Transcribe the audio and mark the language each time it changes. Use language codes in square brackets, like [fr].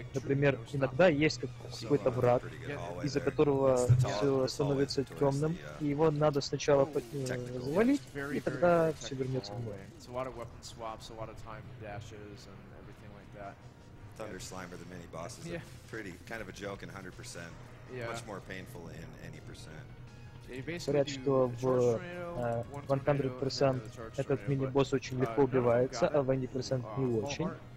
[ru] Например, иногда есть какой-то враг, из-за которого все становится темным, и его надо сначала завалить, и тогда все вернется в бой. [en] A lot of weapon swaps, a lot of time dashes, and everything like that. Thunder Slimer, the mini boss, is pretty kind of a joke in 100%. Yeah. Much more painful in any percent. [ru] Говорят, что в 100% этот мини-босс очень легко убивается, а в 100% не очень.